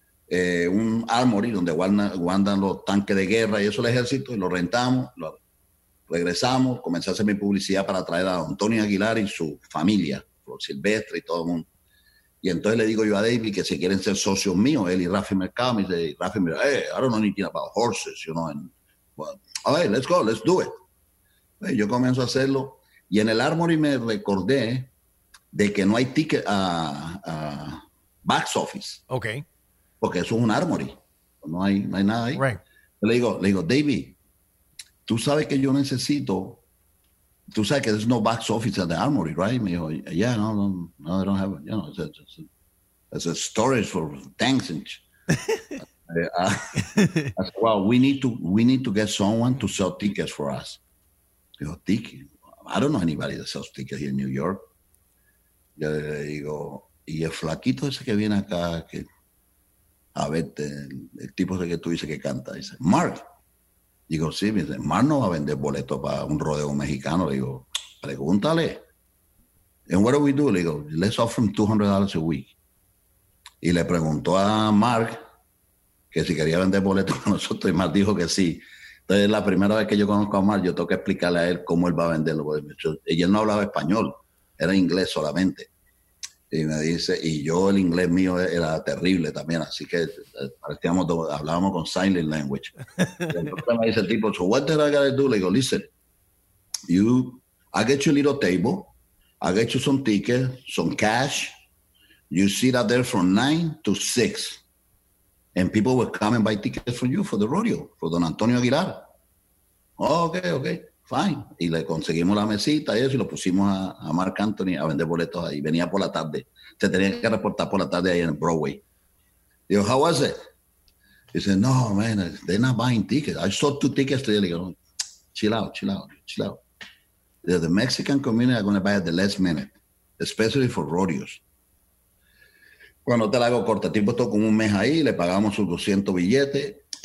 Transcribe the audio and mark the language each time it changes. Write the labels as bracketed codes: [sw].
[es] Un armory donde guardan los tanques de guerra y eso, el ejército, y lo rentamos, lo regresamos, comencé a hacer mi publicidad para traer a Antonio Aguilar y su familia, Flor Silvestre y todo el mundo. Y entonces le digo yo a David que si quieren ser socios míos, él y Rafi Mercado. Me dice, Rafi, mira, [en] I don't know anything about horses, you know, let's go, let's do it. [es] Hey, yo comienzo a hacerlo, y en el armory me recordé de que no hay [en] ticket a box office. Okay. [es] Porque eso es un armory, no hay nada ahí. [en] Right. [es] Le digo, David, tú sabes que yo necesito, tú sabes que [en] there's no box office at the armory, right? [es] Me dijo, [en] yeah, no, they don't have, you know, it's a storage for tanks and I said, well, we need to get someone to sell tickets for us. [es] Dijo, [en] ticket, I don't know anybody that sells tickets here in New York. [es] Yo le digo, y el flaquito ese que viene acá, que a ver, el tipo de que tú dices que canta, dice, Mark. Digo, sí, me dice, Mark no va a vender boletos para un rodeo mexicano. Le digo, pregúntale. [en] And what do we do? [es] Le digo, [en] let's offer him $200 a week. [es] Y le preguntó a Mark que si quería vender boletos con nosotros, y Mark dijo que sí. Entonces, la primera vez que yo conozco a Mark, yo tengo que explicarle a él cómo él va a vender los boletos. Y él no hablaba español, era inglés solamente. Y me dice, y yo, el inglés mío era terrible también, así que hablábamos con [en] sign language. [es] Entonces me dice el tipo, [en] so what did I gotta do? [es] Le digo, [en] listen, I get you a little table, I get you some tickets, some cash, you sit out there from 9 to 6, and people will come and buy tickets for you for the rodeo, for Don Antonio Aguilar. Oh, okay. Fine. [es] Y le conseguimos la mesita y eso, y lo pusimos a Mark Anthony a vender boletos ahí. Venía por la tarde. Se tenía que reportar por la tarde ahí en Broadway. Digo, [en] how was it? He said, no, man, they're not buying tickets. I sold 2 tickets today. [es] Le digo, [en] chill out. The Mexican community are going to buy at the last minute, especially for rodeos. [es] Cuando te la hago corta, tipo, estuvo como un mes ahí, le pagamos sus 200 billetes.